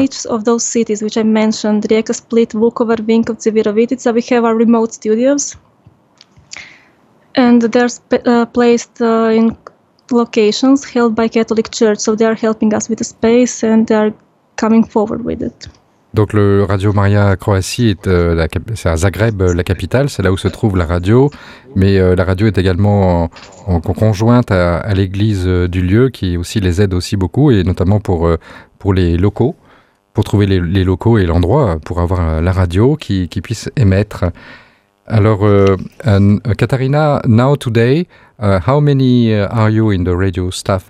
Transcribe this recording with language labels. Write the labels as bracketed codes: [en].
[en] each of those cities which I mentioned, Rijeka, Split, Vukovar, Vinkovci, Virovitica, we have our remote studios, and they're placed in locations held by Catholic Church. So they are helping us with the space, and they are coming forward with it. [fr] Donc le Radio Maria Croatie, c'est à Zagreb, la capitale, c'est là où se trouve la radio, mais la radio est également en conjointe à l'église du lieu, qui aussi les aide aussi beaucoup, et notamment pour les locaux, pour trouver les locaux et l'endroit pour avoir la radio qui puisse émettre. [en] Alors, Katharina, now today, how many are you in the radio staff?